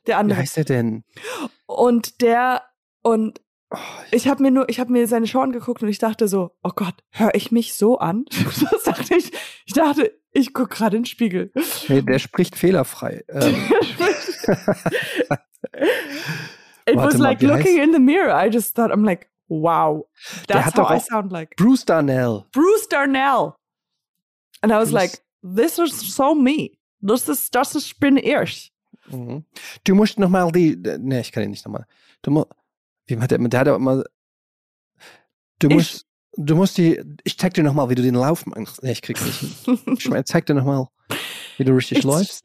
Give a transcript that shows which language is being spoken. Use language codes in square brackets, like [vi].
[de] Der andere. Wie heißt der denn? Und der, und ich hab mir seine Show angeguckt und ich dachte so, oh Gott, höre ich mich so an? Das dachte ich. Ich dachte, ich guck gerade in den Spiegel. Nee, der spricht fehlerfrei. [en] It was like looking in the mirror. I just thought, I'm like, wow. That's how I sound like. Bruce Darnell. Bruce Darnell. And I was like, this is so me. [de] Das ist bin ich. Du musst nochmal die. Nee, ich kann ihn nicht nochmal. Wie hat der hat aber immer. Ich zeig dir nochmal, wie du den Lauf machst. Nee, ich krieg's nicht hin. Ich zeig dir nochmal, wie du richtig läufst.